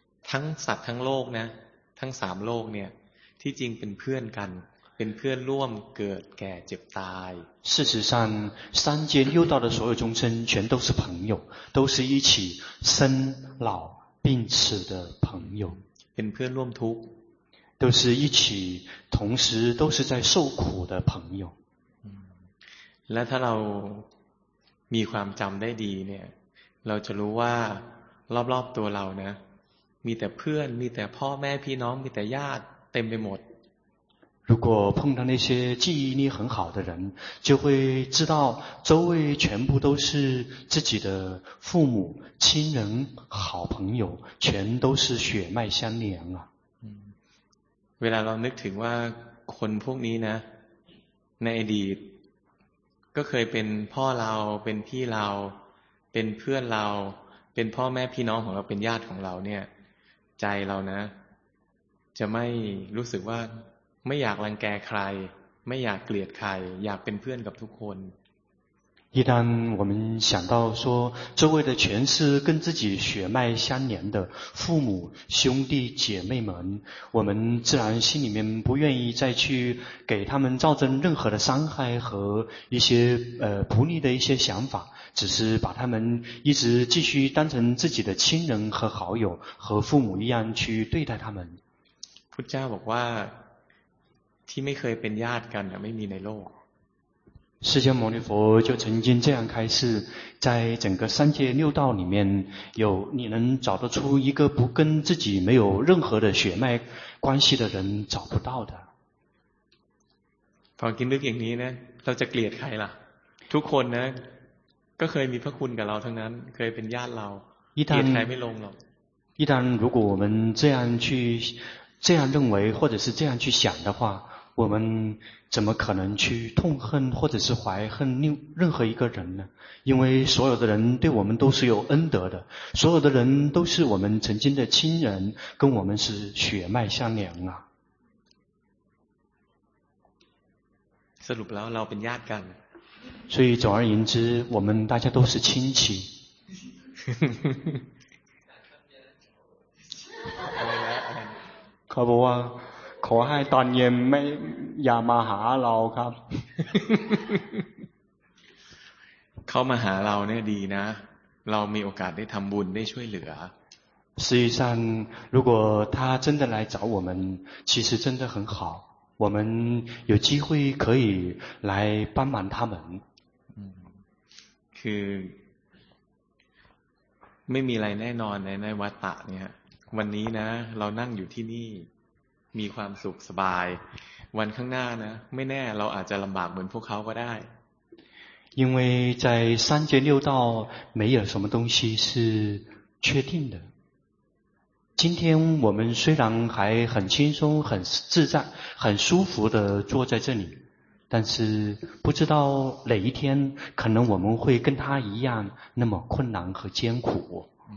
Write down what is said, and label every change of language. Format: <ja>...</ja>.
<th>ทั้งสัตว์ทั้งโลกนะทั้งสามโลกเนี่ยที่จริงเป็นเพื่อนกันเป็นเพื่อนร่วมเกิดแก่เจ็บตาย</th> <zh>事实上三界六道的所有众生全都是朋友都是一起生老病死的朋友</zh> <th>เป็นเพื่อนร่วมทุกข์</th> <zh>都是一起同时都是在受苦的朋友</zh> <th>และถ้าเรามีความจำได้ดีเนี่ยเราจะรู้ว่ารอบๆตัวเรานะมีแต่เพื่อนมีแต่พ่อแม่พี่น้องมีแต่ญาติเต็มไปหมด</th> <zh>如果碰到那些记忆力很好的人就会知道周围全部都是自己的父母亲人好朋友全都是血脉相连啊</zh> <th>เวลาเรานึกถึงว่าคนพวกนี้นะในอดีตก็เคยเป็นพ่อเราเป็นพี่เราเป็นเพื่อนเราเป็นพ่อแม่พี่น้องของเราเป็นญาติของเราเนี่ยใจเรานะจะไม่รู้สึกว่าไม่อยากรังแกใครไม่อยากเกลียดใครอยากเป็นเพื่อนกับทุกคน</th> <zh>一旦我们想到说周围的全是跟自己血脉相连的父母兄弟姐妹们，我们自然心里面不愿意再去给他们造成任何的伤害和一些不利的一些想法，只是把他们一直继续当成自己的亲人和好友，和父母一样去对待他们。</zh> <th>佛家บอกว่าที่ไม่เคยเป็นญาติกันไม่มีในโลก。</th> <zh>释迦牟尼佛就曾经这样开示，在整个三界六道里面，有你能找得出一个不跟自己没有任何的血脉关系的人，找不到的。</zh> <th>พอคิดถึงอย่างนี้นะเราจะเกลียดใครล่ะทุกคนนะก็เคยมีพระคุณกับเราทั้งนั้นเคยเป็นญาติเราเกลียดใครไม่ลงหรอก</th> <zh>一旦如果我们这样认为或者是这样去想的话，我们怎么可能去痛恨或者是怀恨任何一个人呢？因为所有的人对我们都是有恩德的，所有的人都是我们曾经的亲人，跟我们是血脉相连啊。</zh> <th>สรุปแล้วเราเป็นญาติกัน。</th> <zh>所以总而言之，我们大家都是亲戚。</zh> <th>ครับว่าขอให้ตอนเย็นไม่อย่ามาหาเราครับ เข้ามาหาเราเนี่ยดีนะเรามีโอกาสได้ทำบุญได้ช่วยเหลือ</th> <zh>实际上如果他真的来找我们其实真的很好我们有机会可以来帮忙他们</zh> <th>คือไม่มีอะไรแน่นอนในวัฏฏะเนี่ยวันนี้นะเรานั่งอยู่ที่นี่มีความสุขสบายวันข้างหน้านะไม่แน่เราอาจจะลำบากเหมือนพวกเขาก็ได้</th> <zh>因为在三界六道没有什么东西是确定的今天我们虽然还很轻松很自在很舒服的坐在这里但是不知道哪一天可能我们会跟他一样那么困难和艰苦</zh>